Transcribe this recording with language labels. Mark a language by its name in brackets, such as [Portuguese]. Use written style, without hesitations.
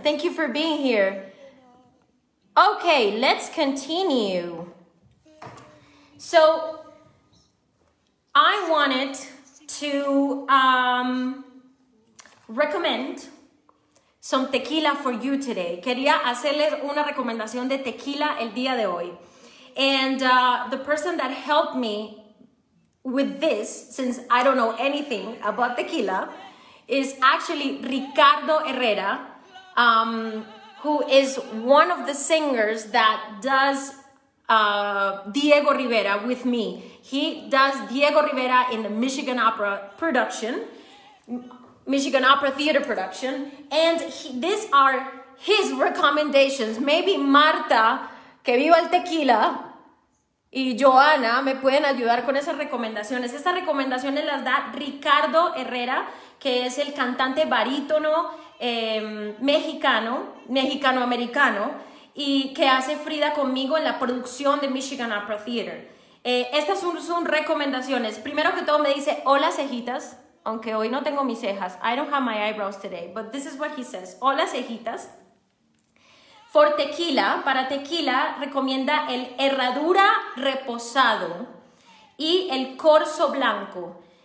[English] Thank you for being here. Okay, let's continue. So I wanted to recommend some tequila for you today. [Spanish] Quería hacerles una recomendación de tequila el día de hoy. [English] And the person that helped me with this, since I don't know anything about tequila, is actually Ricardo Herrera, who is one of the singers that does Diego Rivera with me. He does Diego Rivera in the Michigan Opera production, Michigan Opera Theater production, and these are his recommendations. [Spanish] Maybe Marta, que viva el tequila, y Joana me pueden ayudar con esas recomendaciones. Estas recomendaciones las da Ricardo Herrera, que es el cantante barítono mexicano-americano, y que hace Frida conmigo en la producción de Michigan Opera Theater. Estas son recomendaciones. Primero que todo me dice, hola cejitas, aunque hoy no tengo mis cejas. [English] I don't have my eyebrows today, but this is what he says. [Spanish] Hola cejitas. [English] For tequila, [Spanish] para tequila, recomienda el Herradura Reposado y el Corzo Blanco.